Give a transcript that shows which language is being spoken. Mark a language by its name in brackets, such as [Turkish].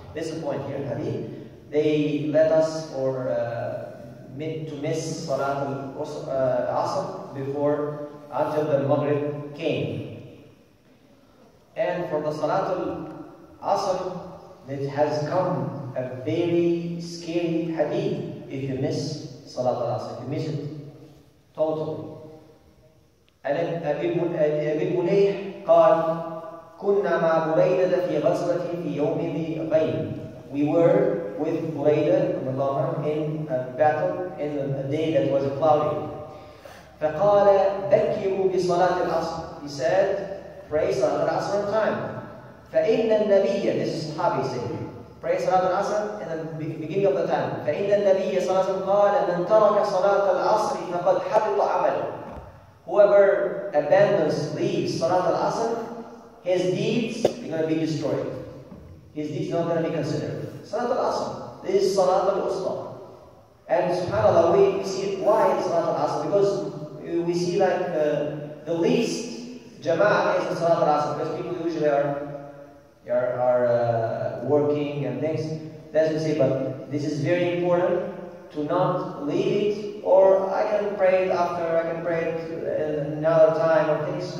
[English] This is the point here in Hadith. They let us or made to miss Salat al-Asr before, until the Maghrib came. And for the Salat al-Asr, it has come a very scary Hadith if you miss Salat al-Asr, you miss it. Totally. [Arabic] And Abi Munayh قال كنا مع بريدة في غزوة في يوم ذي غين. [English] We were with بريدة in a battle in a day that was cloudy. [Arabic] فقال بكروا بصلاة العصر. [English] He said, pray صلاة العصر on time. [Arabic] فإن النبي, [English] this is Sahabi saying, pray صلاة العصر in the beginning of the time. [Arabic] فإن النبي صلى الله عليه وسلم قال من ترك صلاة العصر فقد حبط عمله. [English] Whoever abandons, leaves صلاة العصر, his deeds are going to be destroyed. His deeds are not going to be considered. [Arabic] صلاة العصر, [English] this is [Arabic] صلاة الوسطى. [English] And subhanAllah, we see why it's صلاة العصر, because we see like the least jama'ah is the صلاة العصر, because people usually are are working and things. Doesn't say, but this is very important to not leave it, or I can pray it after, I can pray it another time or things.